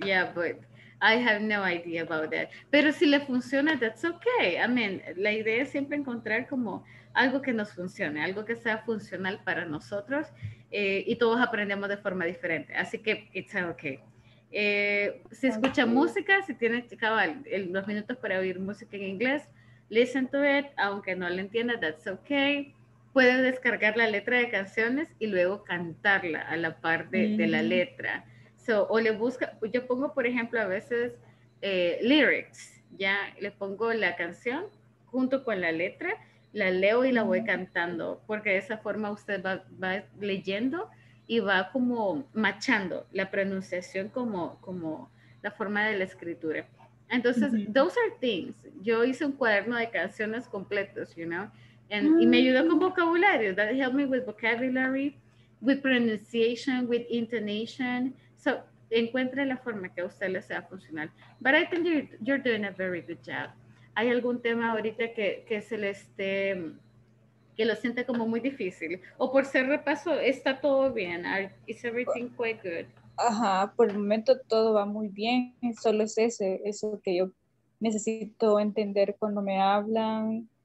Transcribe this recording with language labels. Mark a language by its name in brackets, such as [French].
[English] Yeah, but I have no idea about that. [Spanish] Pero si le funciona, [English] that's okay. I mean, [Spanish] la idea es siempre encontrar como algo que nos funcione, algo que sea funcional para nosotros. Y todos aprendemos de forma diferente, así que [English] it's okay. [Spanish] Si escucha música, si tiene los minutos para oír música en inglés, [English] listen to it, [Spanish] aunque no lo entienda, [English] that's okay. [Spanish] Puede descargar la letra de canciones y luego cantarla a la par de la letra. So, o le busca, yo pongo por ejemplo a veces lyrics, ya le pongo la canción junto con la letra, la leo y la voy cantando, porque de esa forma usted va leyendo y va como machando la pronunciación como la forma de la escritura. Entonces, [English] those are things. [Spanish] Yo hice un cuaderno de canciones completos, [English] you know, [Spanish] y me ayudó con vocabulario. [English] That helped me with vocabulary, with pronunciation, with intonation. [Spanish] So, encuentre la forma que a usted le sea funcional. [English] But I think you're doing a very good job. [Spanish] ¿Hay algún tema ahorita que se le esté, que lo siente como muy difícil? ¿O por ser repaso está todo bien? [English] ¿Is everything quite good? [Spanish] Ajá, por el momento todo va muy bien. Solo es eso que yo necesito entender cuando me hablan.